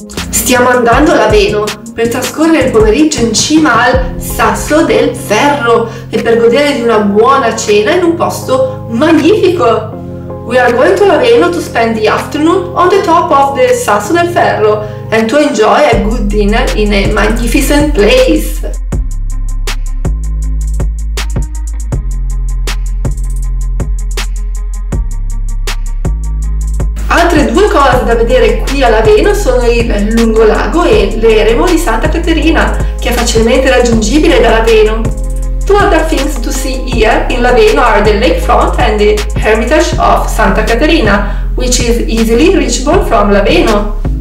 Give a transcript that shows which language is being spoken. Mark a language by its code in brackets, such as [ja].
[it] Stiamo andando a Laveno per trascorrere il pomeriggio in cima al Sasso del Ferro e per godere di una buona cena in un posto magnifico. [en] We are going to Laveno to spend the afternoon on the top of the Sasso del Ferro and to enjoy a good dinner in a magnificent place. [it] Altre due cose da vedere qui a Laveno sono il lungolago e l'Eremo di Santa Caterina, che è facilmente raggiungibile da Laveno. [en] Two other things to see here in Laveno are the lakefront and the hermitage of Santa Caterina, which is easily reachable from Laveno.